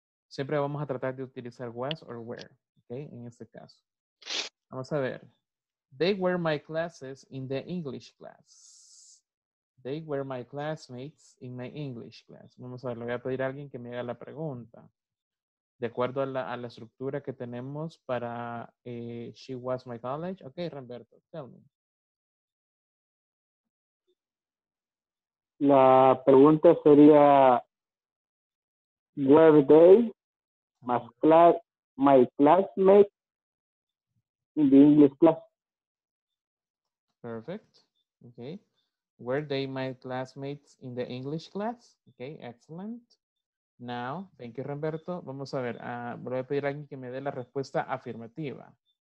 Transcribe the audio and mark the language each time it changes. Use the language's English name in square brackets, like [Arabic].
[Spanish] Siempre vamos a tratar de utilizar was or where, okay? En este caso. Vamos a ver. [English] They were my classes in the English class. They were my classmates in my English class. [Spanish] Vamos a ver, le voy a pedir a alguien que me haga la pregunta. De acuerdo a la estructura que tenemos para [English] she was my college. Okay, Roberto, tell me. [Spanish] La pregunta sería, [English] were they my classmates in the English class? Perfect. Okay. Were they my classmates in the English class? Okay. Excellent. Now, thank you, Roberto. [Spanish] Vamos a ver. Voy a pedir a alguien que me dé la respuesta afirmativa.